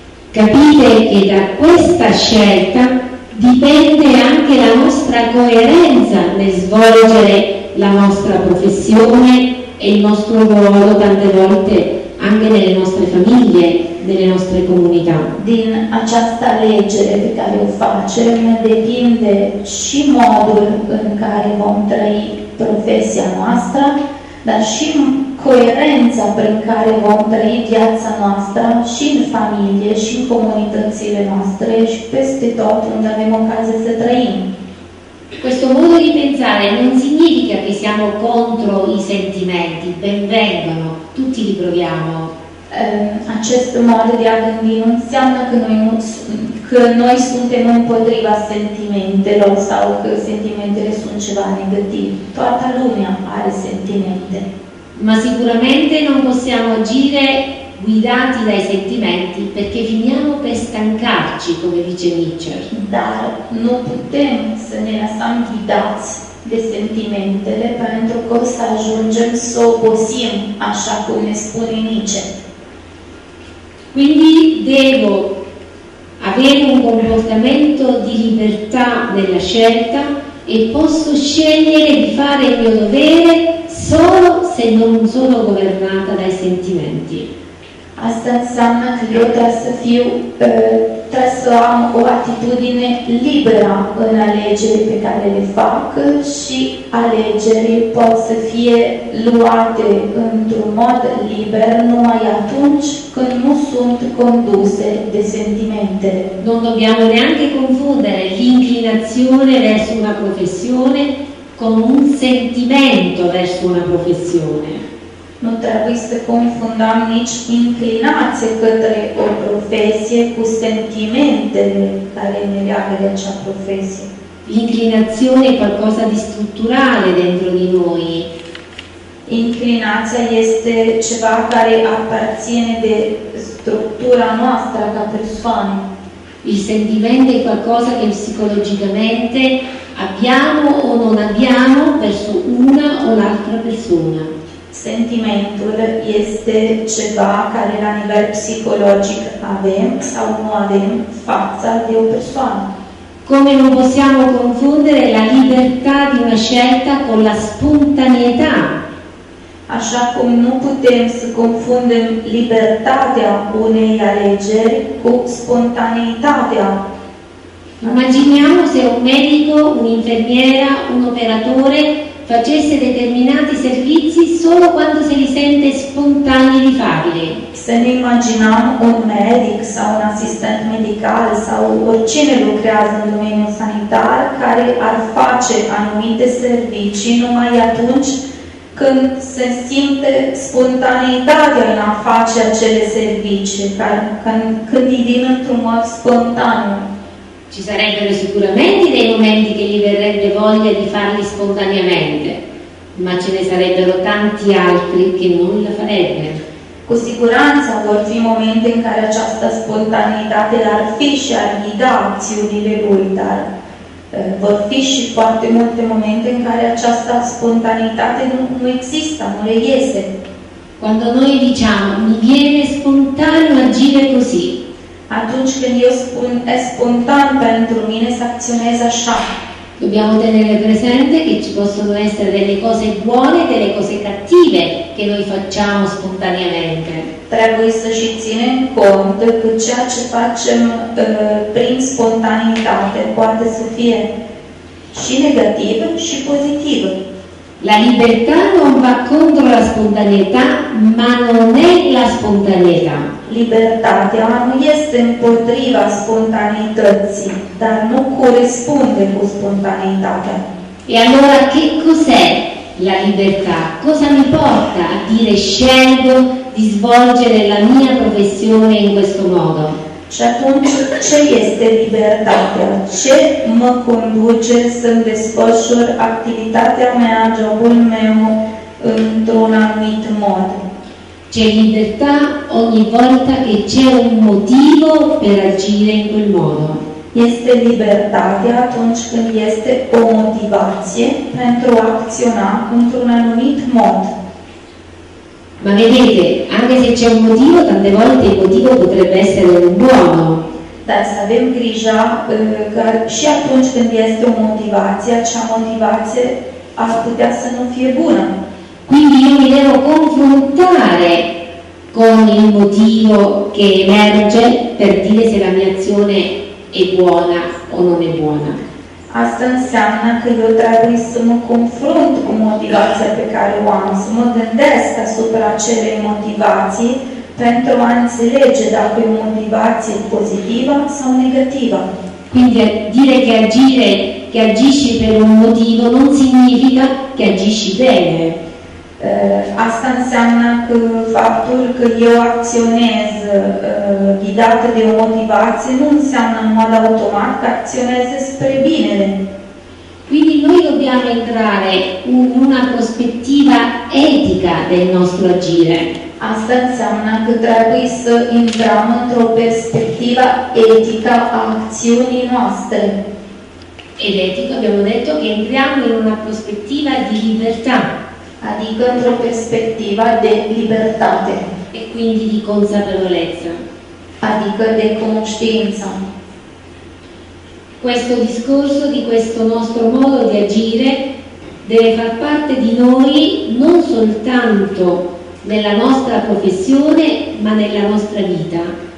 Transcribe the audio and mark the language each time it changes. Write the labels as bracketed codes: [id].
[it] Capite che da questa scelta dipende anche la nostra coerenza nel svolgere la nostra professione e il nostro ruolo tante volte anche nelle nostre famiglie, nelle nostre comunità. [ro] Din această alegere pe care o facem depinde și modul în care vom trăi profesia noastră, dar și coerența prin care vom trăi viața noastră și în familie și în comunitățile noastre și peste tot unde avem ocazie să trăim. [it] Questo modo di pensare non significa che siamo contro i sentimenti, ben vengono, tutti li proviamo. [ro] Acest mod de a gândi nu înseamnă că noi suntem împotriva sentimentelor sau că sentimentele sunt ceva negativ. Toată lumea are sentimente. [it] Ma sicuramente non possiamo agire guidati dai sentimenti perché finiamo per stancarci, come dice Nietzsche. [ro] Dar nu putem să ne lăsăm ghidați de sentimentele pentru că o să ajungem să obosim, așa cum ne spune Nietzsche. [it] Quindi devo avere un comportamento di libertà nella scelta e posso scegliere di fare il mio dovere solo se non sono governata dai sentimenti. [ro] Asta înseamnă că eu trebuie să am o atitudine liberă în alegerile pe care le fac și alegerile pot să fie luate într-un mod liber numai atunci când nu sunt conduse de sentimente. [it] Non dobbiamo neanche confondere l'inclinazione verso una professione con un sentimento verso una professione. [ro] Nu trebuie să confundăm nici inclinație către o profesie cu sentimentele care ne leagă de acea profesie. [it] L'inclinazione e qualcosa di strutturale dentro di noi. [ro] Inclinația este ceva care aparține de structura noastră ca persoană. [it] Il sentimento è qualcosa che psicologicamente abbiamo o non abbiamo verso una o l'altra persona. [ro] Sentimentul este ceva care la nivel psihologic avem sau nu avem fața de o persoană. Cum nu putem [it] confundere la libertà di una scelta con la spontaneità? [ro] Așa cum nu putem să confundem libertatea unei alegeri cu spontaneitatea. [it] Imaginiamo se un medico, un'infermiera, un operatore facesse determinati servizi solo quando se li sente spontanei di farli. Se ne immaginiamo [ro] un medic sau un assistente medicale sau oricine lucrează în domeniul sanitar care ar face anumite servicii numai atunci Când se simte spontaneitatea în a face acele servicii, când îi vin într-un mod spontan. [it] Ci sarebbero sicuramente dei momenti che gli verrebbe voglia di farli spontaneamente, ma ce ne sarebbero tanti altri che non la farebbe. [ro] Cu siguranță vor fi momente în care această spontaneitate l-ar fi și ar ghida acțiunile lui, dar vor fi și foarte multe momente în care această spontaneitate nu există, nu le iese. [it] Quando noi diciamo, mi viene spontaneo agire così. [ro] Atunci când eu spun, e spontan pentru mine să acționez așa. [it] Dobbiamo tenere presente che ci possono essere delle cose buone e delle cose cattive che noi facciamo spontaneamente. [ro] Trebuie să și ținem cont că ceea ce facem prin spontaneitate poate să fie și negativ și pozitiv. [it] La libertà non va contro la spontaneità, ma non è la spontaneità. [ro] Libertatea nu este împotriva spontaneității, dar nu corespunde cu spontaneitatea. [it] E allora che cos'è la libertà? Cosa mi porta a dire scelgo di svolgere la mia professione in questo modo? [ro] Și atunci, ce este libertatea? Ce mă conduce să-mi desfășur activitatea mea, jobul meu, într-un anumit mod? [it] C'è libertà ogni volta che c'è un motivo per agire in quel modo. [ro] Este libertatea atunci când este o motivație pentru a acționa într-un anumit mod. [it] Ma vedete, anche se c'è un motivo, tante volte il motivo potrebbe essere un buono. [ro] Dar să avem grijă că și atunci când este o motivație, acea motivație ar putea să nu fie bună. [it] Quindi io mi devo confrontare con il motivo che emerge per dire se la mia azione è buona o non è buona. [ro] Asta înseamnă că eu trebuie să mă confrunt cu motivația pe care o am, să mă gândesc asupra acelei motivații pentru a înțelege dacă e o motivație pozitivă sau negativă. [it] Quindi dire che agire, che agisci per un motivo non significa che agisci bene. [ro] Asta înseamnă că faptul că eu acționez ghidată de o motivație nu înseamnă în mod automat că acționez spre binele. [it] Quindi noi dobbiamo entrare in una prospettiva etica del nostro agire. [ro] Asta înseamnă că trebuie să intrăm într-o perspectivă etică a acțiunii noastre. [it] Ed etico abbiamo detto che entriamo in una prospettiva di libertà. [ro] Adică într-o perspectivă de libertate. [it] E quindi di consapevolezza. [ro] Adică de conștiință. [it] Questo discorso di questo nostro modo di agire deve far parte di noi non soltanto nella nostra professione, ma nella nostra vita.